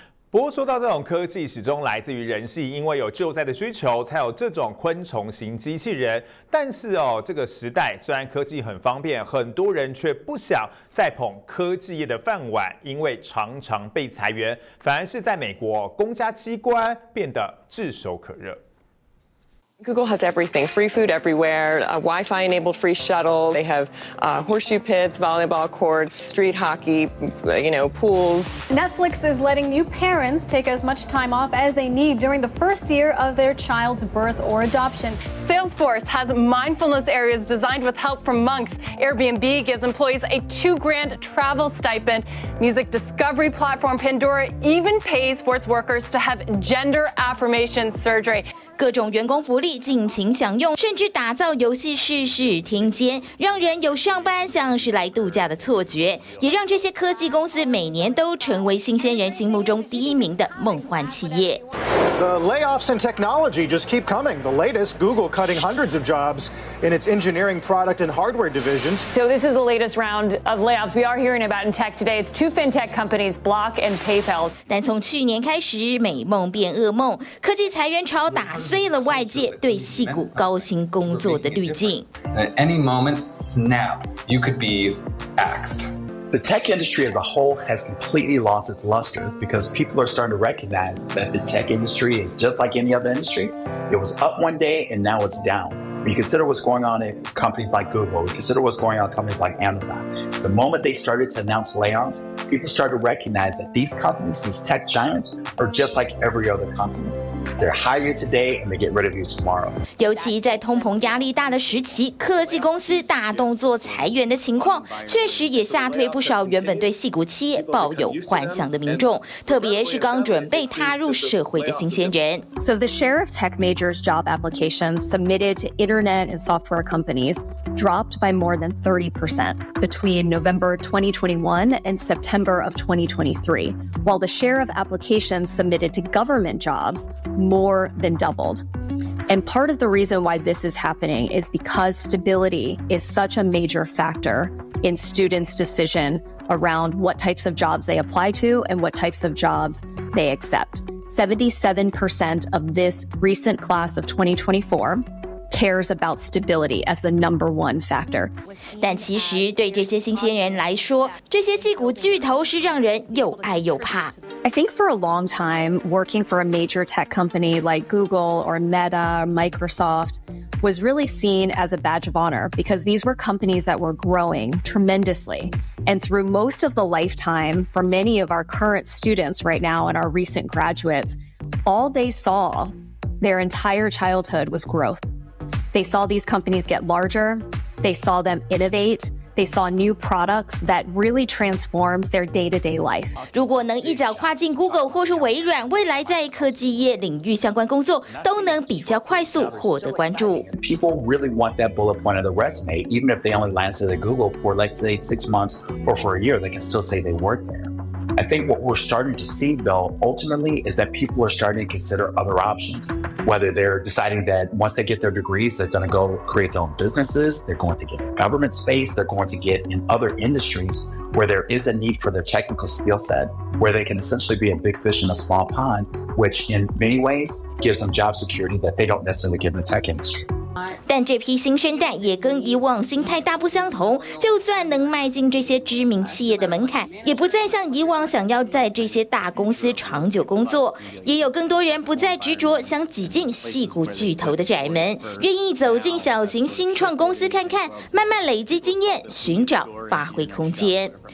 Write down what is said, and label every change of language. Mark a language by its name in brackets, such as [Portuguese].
[Chinese] 不过说到这种科技始终来自于人性，因为有救灾的需求才有这种昆虫型机器人。但是哦，这个时代虽然科技很方便，很多人却不想再捧科技业的饭碗，因为常常被裁员，反而是在美国公家机关变得炙手可热。 [English] Google has everything, free food everywhere, a Wi-Fi enabled free shuttle. They have horseshoe pits, volleyball courts, street hockey, you know, pools. Netflix is letting new parents take as much time off as they need during the first year of their child's birth or adoption. Salesforce has mindfulness areas designed with help from monks. Airbnb gives employees a $2,000 travel stipend. Music discovery platform Pandora even pays for its workers to have gender affirmation surgery. [Chinese] 各种员工福利尽情享用，甚至打造游戏试试天间，让人有上班像是来度假的错觉，也让这些科技公司每年都成为新鲜人心目中第一名的梦幻企业。 [English] The layoffs in technology just keep coming. The latest, Google cutting hundreds of jobs in its engineering product and hardware divisions. So this is the latest round of layoffs we are hearing about in tech today. It's two fintech companies, Block and PayPal. [Chinese] 但从去年开始，美梦变噩梦，科技裁员潮打碎了外界对矽谷高薪工作的滤镜。 [English] At any moment, snap, you could be axed. The tech industry as a whole has completely lost its luster because people are starting to recognize that the tech industry is just like any other industry. It was up one day and now it's down. When you consider what's going on at companies like Google, you consider what's going on at companies like Amazon. The moment they started to announce layoffs, people started to recognize that these companies, these tech giants, are just like every other company. They're hiring today and they get rid of you tomorrow. [Chinese] 尤其在通膨压力大的时期，科技公司大动作裁员的情况，确实也吓退不少原本对矽谷企业抱有幻想的民众，特别是刚准备踏入社会的新鲜人。 [English] So the share of tech majors' job applications submitted to internet and software companies dropped by more than 30% between November 2021 and September of 2023, while the share of applications submitted to government jobs. More than doubled. And part of the reason why this is happening is because stability is such a major factor in students' decision around what types of jobs they apply to and what types of jobs they accept. 77% of this recent class of 2024. cares about stability as the number one factor. [Chinese] 但其实对这些新鲜人来说，这些矽谷巨头是让人又爱又怕。 [English] I think for a long time, working for a major tech company like Google or Meta or Microsoft was really seen as a badge of honor because these were companies that were growing tremendously. And through most of the lifetime, for many of our current students right now and our recent graduates, all they saw their entire childhood was growth. They saw these companies get larger. They saw them innovate. They saw new products that really transformed their day-to-day life. [Chinese] 如果能一脚跨进 Google 或是微软，未来在科技业领域相关工作都能比较快速获得关注。 [English] People really want that bullet point of the resume, even if they only landed at Google for, let's say, 6 months or for a year, they can still say they worked there. I think what we're starting to see, though, ultimately, is that people are starting to consider other options, whether they're deciding that once they get their degrees, they're going to go create their own businesses, they're going to get government space, they're going to get in other industries where there is a need for their technical skill set, where they can essentially be a big fish in a small pond, which in many ways gives them job security that they don't necessarily get in the tech industry. [Chinese] 但这批新生代也跟以往心态大不相同，就算能迈进这些知名企业的门槛，也不再像以往想要在这些大公司长久工作，也有更多人不再执着想挤进矽谷巨头的窄门，愿意走进小型新创公司看看，慢慢累积经验，寻找发挥空间。